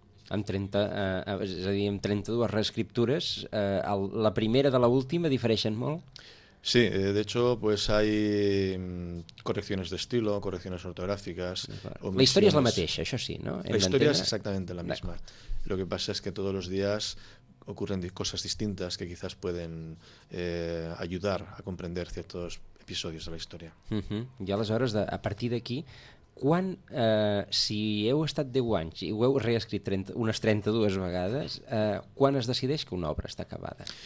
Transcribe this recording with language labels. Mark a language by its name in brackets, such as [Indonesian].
[Catalan] Amb 30, és a dir, amb 32 reescriptures, la primera de la última difereixen molt? [Spanish] Sí, de hecho, pues hay correcciones de estilo, correcciones ortográficas. La historia es la [Catalan] mateixa, això sí, no? [Spanish] La historia es exactamente la misma. Lo que pasa es que todos los días ocurren cosas distintas que quizás pueden ayudar a comprender ciertos episodios de la historia. [Catalan] I aleshores, a partir d'aquí, quan, si heu estat 10 anys i ho heu reescrit unes 32 vegades, quan es decideix que una obra està acabada?